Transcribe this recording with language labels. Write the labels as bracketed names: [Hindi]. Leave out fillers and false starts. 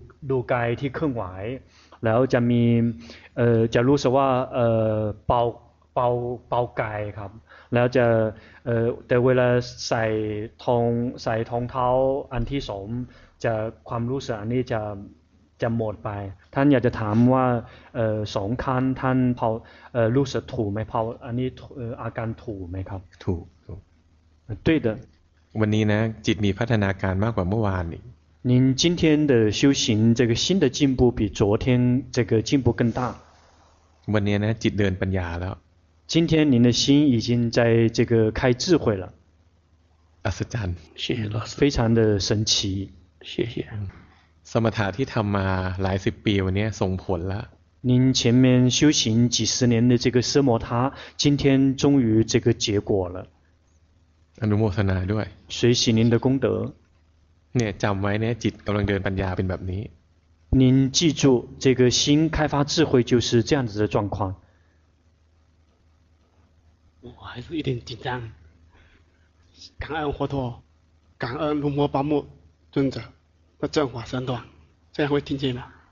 [Thai] ดูกายที่เคลื่อนไหวแล้วจะมีจะรู้สึกว่าเบาไกลครับแล้วจะแต่เวลาใส่ทองเท้าอันที่สมจะความรู้สึกอันนี้จะหมดไปท่านอยากจะถามว่าสองขั้นท่านพอรู้สึกถูกไหมพออันนี้อาการถูกไหมครับ ถูก [Chinese] 对的 [Thai] วันนี้นะจิตมีพัฒนาการมากกว่าเมื่อวานนี้ [Chinese] 您今天的修行这个新的进步比昨天这个进步更大 [Thai] วันนี้นะจิตเดินปัญญาแล้ว [Chinese] 今天您的心已经在这个开智慧了。阿斯赞，谢谢老师，非常的神奇。谢谢。 [Thai] สมถะที่ทำมาหลายสิบปีวันนี้ส่งผลแล้ว。 [Chinese] 您前面修行几十年的这个奢摩他，今天终于这个结果了。 [Thai] อนุโมทนาด้วย。 [Chinese] 随喜您的功德。 [Thai] เนี่ยจำไว้เนี่ยจิตกำลังเดินปัญญาเป็นแบบนี้。 [Chinese] 您记住，这个心开发智慧就是这样子的状况。我还是有点紧张。感恩佛陀，感恩龙婆巴木尊者的正法三段，这样会听见吗？